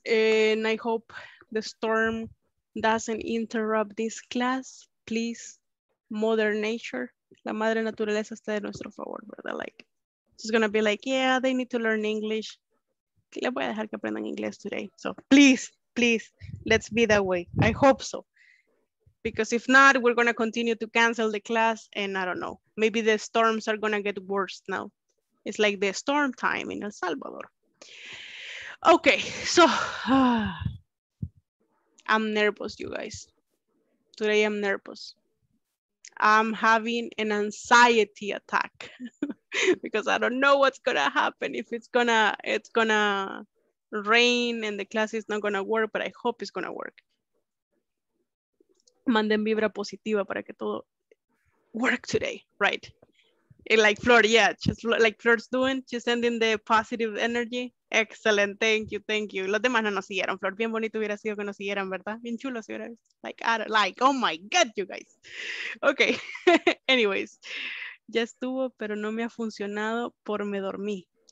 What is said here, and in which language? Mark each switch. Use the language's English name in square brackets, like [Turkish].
[English] And I hope the storm doesn't interrupt this class. Please, Mother Nature, [Spanish] la madre naturaleza está de nuestro favor, ¿verdad? [English] Like, she's gonna be like, yeah, they need to learn English. [Spanish] Le voy a dejar que aprendan inglés [English] today. So please, please, let's be that way. I hope so. Because if not, we're going to continue to cancel the class. And I don't know, maybe the storms are going to get worse now. It's like the storm time in El Salvador. Okay, so I'm nervous, you guys. Today I'm nervous. I'm having an anxiety attack because I don't know what's going to happen. If it's gonna rain and the class is not going to work, but I hope it's going to work. [Spanish] Manden vibra positiva para que todo [English] work today, right? And like Flor, yeah, just like Flor's doing, she's sending the positive energy. Excellent, thank you, thank you. [Spanish] Los demás no nos siguieron, Flor, bien bonito hubiera sido que nos siguieran, ¿verdad? Bien chulo si hubiera visto. [English] Like, oh my God, you guys. Okay, anyways. [Spanish] Ya estuvo, pero no me ha funcionado por me dormí.